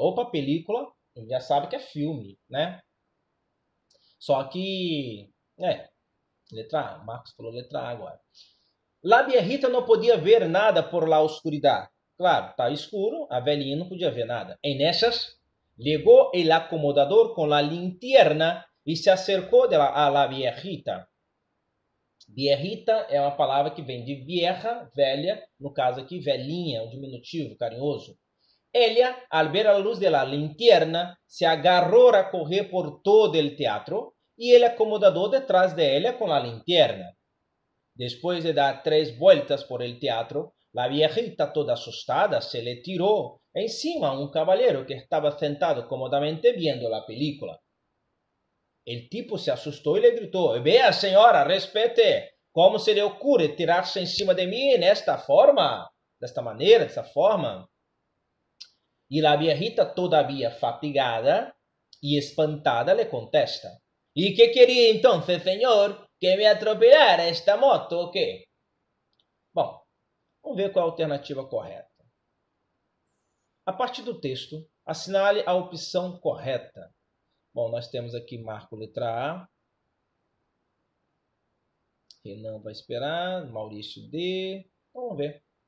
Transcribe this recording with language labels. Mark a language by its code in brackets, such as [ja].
[pt] Opa, película, já sabe que é filme, né? Só que, é, letra A. Marcos falou letra A agora. [es] La Bierrita não podia ver nada por la oscuridad. [pt] Claro, tá escuro, a velhinha não podia ver nada. Em nessas, [es] Llegó el acomodador con la linterna y se acercó a la viejita. [pt] Viejita é uma palavra que vem de vieja, velha, no caso aqui, velhinha, o um diminutivo carinhoso. [es] Ella, al ver la luz de la linterna, se agarró a correr por todo el teatro y el acomodador detrás de ella con la linterna. Después de dar tres vueltas por el teatro, la viejita, toda asustada, se le tiró encima a un caballero que estaba sentado cómodamente viendo la película. El tipo se asustó y le gritó: «Vea, señora, respete. ¿Cómo se le ocurre tirarse encima de mí en esta forma? De esta manera, de esta forma». Y la viejita, todavía fatigada y espantada, le contesta: «¿Y qué quería entonces, señor? ¿Que me atropellara esta moto o qué?». [pt] Bom, vamos ver qual é a alternativa correta. A partir do texto, assinale a opção correta. Bom, nós temos aqui Marco letra A. Renan vai esperar. Maurício D. Vamos ver.